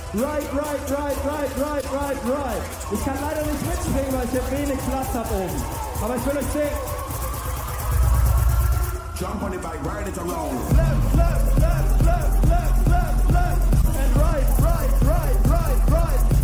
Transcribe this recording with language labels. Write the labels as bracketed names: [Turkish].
[English] Right, right, right, right, right, right, right. [German] Ich kann leider nicht mitspringen, weil ich hier wenig Platz habe oben. Aber ich will euch sehen. [English] Jump on the bike, ride it alone. Left, left, left, left, left, left, left. And right, right, right, right, right.